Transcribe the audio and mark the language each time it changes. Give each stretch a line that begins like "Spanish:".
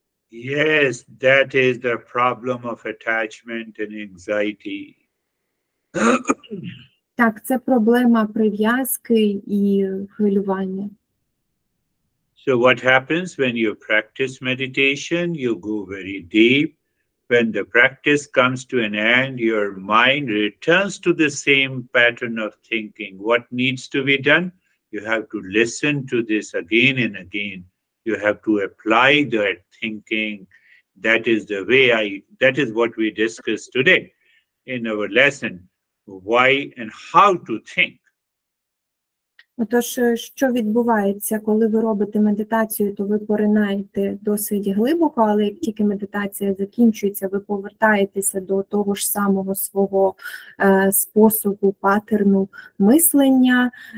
English: Yes, that is the problem of attachment and anxiety.
Ukrainian: Так, це проблема прив'язки і хвилювання.
English: So what happens when you practice meditation, you go very deep. When the practice comes to an end, your mind returns to the same pattern of thinking. What needs to be done? You have to listen to this again and again. You have to apply that thinking. That is the way that is what we discussed today in our lesson. Why and how to think.
Ukrainian: Отож, що відбувається, коли ви робите медитацію, то ви поринаєте досить глибоко, але як тільки медитація закінчується, ви повертаєтеся до того ж самого свого способу, паттерну мислення.